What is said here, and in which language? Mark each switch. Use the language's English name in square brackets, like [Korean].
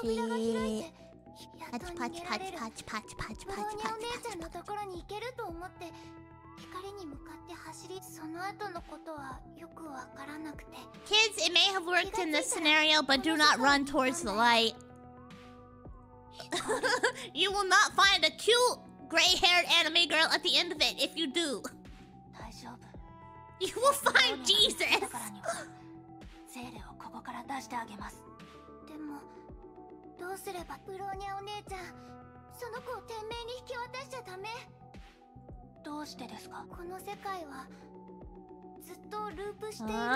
[Japanese] 急に扉が開いて、やっと逃げられる。パチパチパチパチパチ、ブローニャお姉ちゃんのところに行けると思って、光に向かって走り、その後のことはよくわからなくて。 [English] Kids, it may have worked in this scenario, but do not run towards the light. You will not find a cute, gray-haired anime girl at the end of it if you do. [Japanese] 大丈夫。 [English] You will find Jesus. [Japanese] ゼーレをここから出してあげます。でもどうすれば。ブローニャお姉ちゃん、その子を天命に引き渡しちゃダメ。どうしてですか。この世界はずっとループしている。